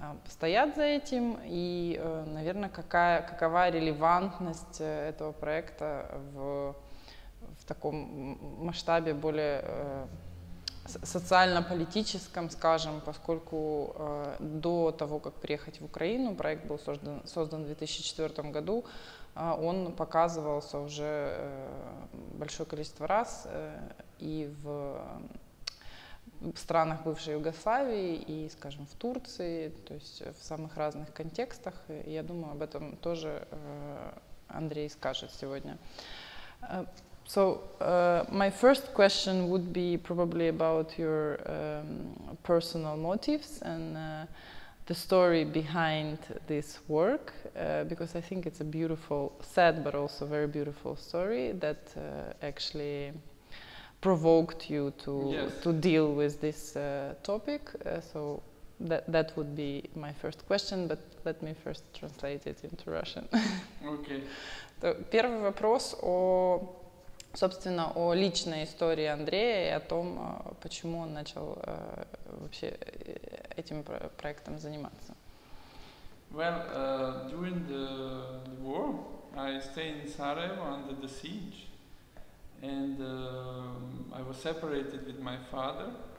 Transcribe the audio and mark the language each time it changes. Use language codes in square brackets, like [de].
[ru] стоят за этим, и, наверное, какова релевантность этого проекта в таком масштабе более социально-политическом, скажем, поскольку до того, как приехать в Украину, проект был создан в 2004 году, он показывался уже большое количество раз и в странах бывшей Югославии, и, скажем, в Турции, то есть в самых разных контекстах. И я думаю, об этом тоже Андрей скажет сегодня. [en] So my first question would be probably about your personal motives and the story behind this work, because I think it's a beautiful, sad but also very beautiful story that actually provoked you to deal with this topic. So that would be my first question, but let me first translate it into Russian. Okay. [ru] То первый вопрос о, собственно, о личной истории Андрея и о том, почему он начал вообще этим проектом заниматься. [en] Well, during the war, I stayed in Sarajevo under the siege, and I was separated with my father.